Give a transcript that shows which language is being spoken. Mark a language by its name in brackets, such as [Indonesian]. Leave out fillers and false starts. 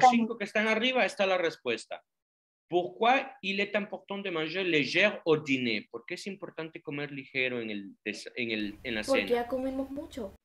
[Spanish] los cinco que están arriba está la respuesta. ¿Por qué [French] il est important de manger léger au dîner? [Spanish] ¿Por qué es importante comer ligero en la cena? Porque ya comimos mucho.